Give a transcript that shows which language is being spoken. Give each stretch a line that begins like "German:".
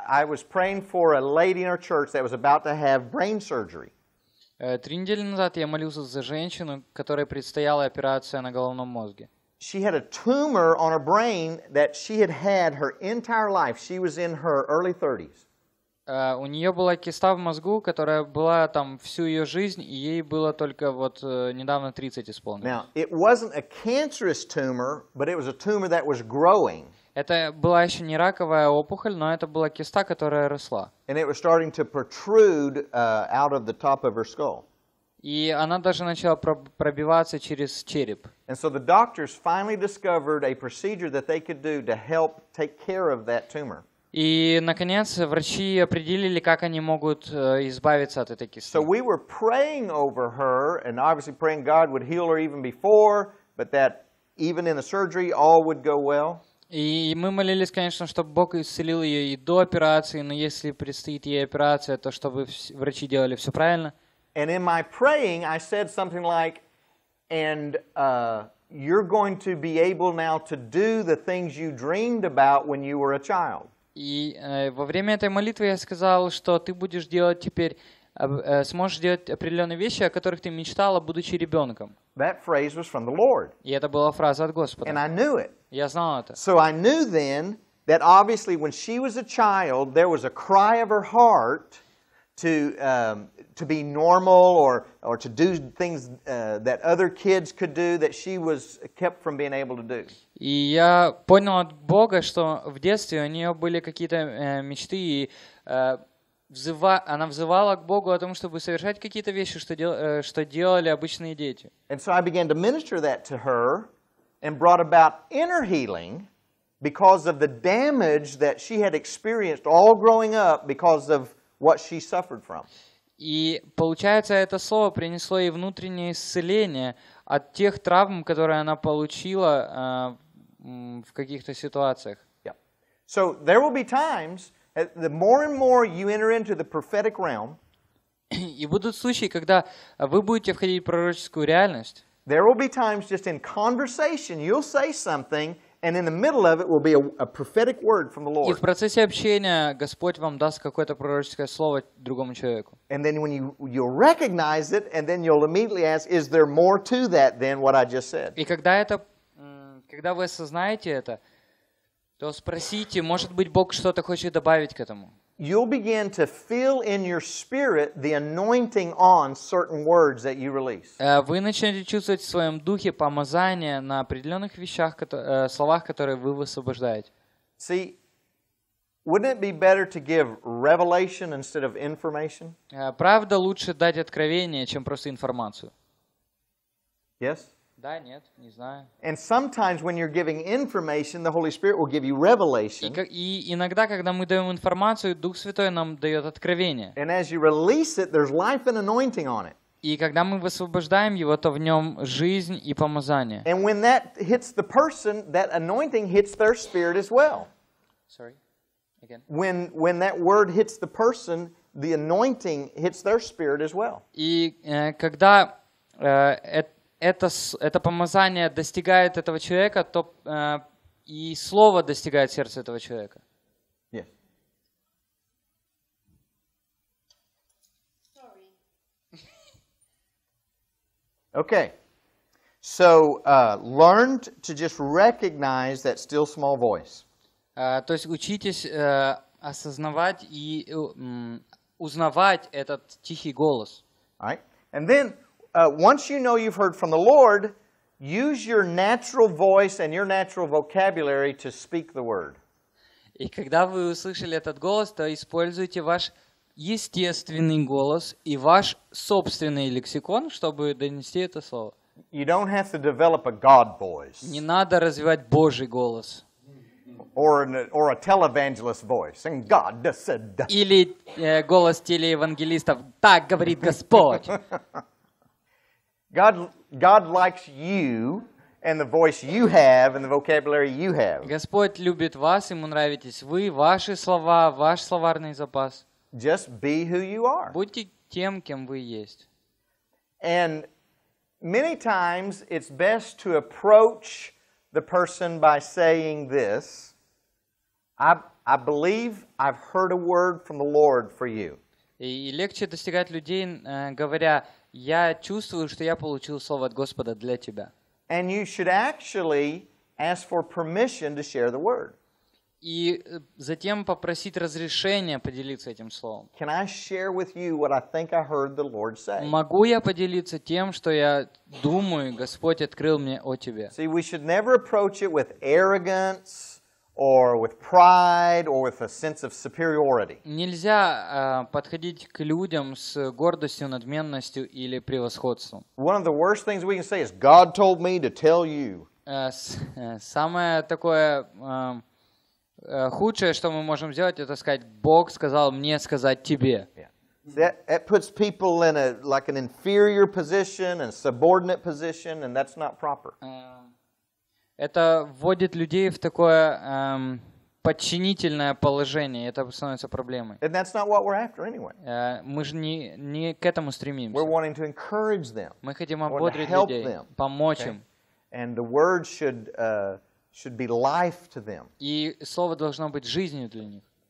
English: I was praying for a lady in our church that was about to have brain surgery.
Russian: Три недели назад я молился за женщину, которой предстояла операция на головном мозге.
English: She had a tumor on her brain that she had her entire life. She was in her early 30s.
Russian: У нее была киста в мозгу, которая была там всю ее жизнь, и ей было только вот недавно 30 исполнилось.
English: Now, it wasn't a cancerous tumor, but it was a tumor that was growing.
Russian: Это была еще не раковая опухоль, но это была киста, которая росла.
English: And it was starting to protrude out of the top of her skull.
Russian: И она даже начала пробиваться через череп.
English: And so the doctors finally discovered a procedure that they could do to help take care of that tumor.
Russian: И, наконец, врачи определили, как они могут избавиться от этой кисты.
English: So we were praying over her, and obviously praying God would heal her even before, but that even in the surgery all would go well.
Russian: И мы молились, конечно, чтобы Бог исцелил ее и до операции, но если предстоит ей операция, то чтобы врачи делали все правильно.
English: And in my praying, I said something like, and you're going to be able now to do the things you dreamed about when you were a child.
Russian: И во время этой молитвы я сказал, что ты будешь делать теперь, сможешь делать определенные вещи, о которых ты мечтала, будучи ребенком.
English: That phrase was from the Lord.
Russian: И это была фраза от Господа.
English: And I knew it.
Russian: Я знал это.
English: So I knew then that obviously when she was a child, there was a cry of her heart to be normal or to do things that other kids could do that she was kept from being able to do.
Russian: И я понял от Бога, что в детстве у нее были какие-то мечты и она взывала к Богу о том, чтобы совершать какие-то вещи, что делали обычные дети.
English: And so I began to minister that to her and brought about inner healing because of the damage that she had experienced all growing up because of what she suffered from.
Russian: И получается, это слово принесло ей внутреннее исцеление от тех травм, которые она получила в каких-то ситуациях.
English: Yeah. So there will be times, the more and more you enter into the prophetic realm,
Russian: и будут случаи, когда вы будете входить в пророческую реальность,
English: there will be times just in conversation you'll say something, and in the middle of it will be a prophetic word from the Lord.
Russian: И в процессе общения Господь вам даст какое-то пророческое слово другому человеку.
English: And then when you'll recognize it, and then you'll immediately ask, is there more to that than what I just said?
Russian: И когда вы осознаете это, то спросите, может быть, Бог что-то хочет добавить к этому.
English: You'll begin to feel in your spirit the anointing on certain words that you release.
Russian: Вы начнете чувствовать в своем духе помазание на определенных вещах, словах, которые вы высвобождаете.
English: See, wouldn't it be better to give revelation instead of information?
Russian: Правда, лучше дать откровение, чем просто информацию.
English: Yes?
Russian: Да, нет, не знаю.
English: And sometimes when you're giving information, the Holy Spirit will give you revelation.
Russian: И иногда, когда мы даем информацию, Дух Святой нам дает откровение.
English: And as you release it, there's life and anointing on it.
Russian: И когда мы высвобождаем его, то в нем жизнь и помазание.
English: And when that hits the person, that anointing hits their spirit as well. Sorry. Again. When that word hits the person, the anointing hits their spirit as well.
Russian: И когда это помазание достигает этого человека, то и слово достигает сердца этого человека.
English: Yes. Sorry. Okay. So, learn to just recognize that still small voice.
Russian: То есть учитесь осознавать и узнавать этот тихий голос.
English: All right. And then, once you know you've heard from the Lord, use your natural voice and your natural vocabulary to speak the word.
Russian: И когда вы услышали этот голос, то используйте ваш естественный голос и ваш собственный лексикон, чтобы донести это слово.
English: You don't have to develop a God voice.
Russian: Не надо развивать Божий голос.
English: Or a televangelist voice, and God said.
Russian: Или голос телеевангелистов. Так говорит Господь.
English: God likes you and the voice you have and the vocabulary you have.
Russian: Господь любит вас, ему нравитесь вы, ваши слова, ваш словарный запас.
English: Just be who you are.
Russian: Будьте тем, кем вы есть.
English: And many times it's best to approach the person by saying this. I believe I've heard a word from the Lord for you.
Russian: И легче достигать людей, говоря: я чувствую, что я получил слово от Господа для тебя.
English: And you should actually ask for permission to share the word.
Russian: И затем попросить разрешения поделиться этим словом.
English: Can I share with you what I think I heard the Lord say?
Russian: Могу я поделиться тем, что я думаю, Господь открыл мне о тебе?
English: See, we should never approach it with arrogance or with pride or with a sense of superiority.
Russian: Нельзя подходить к людям с гордостью, надменностью или превосходством.
English: One of the worst things we can say is God told me to tell you.
Russian: Самое такое худшее, что мы можем сделать, это сказать: Бог сказал мне сказать тебе.
English: That puts people in a like an inferior position and subordinate position, and that's not proper.
Russian: Это вводит людей в такое подчинительное положение. Это становится проблемой.
English: And that's not what we're after anyway.
Russian: Мы же не к этому стремимся.
English: We're wanting to encourage them.
Russian: Мы хотим ободрить людей, помочь им.
English: And the word should be life to them.
Russian: И слово должно быть жизнью для них.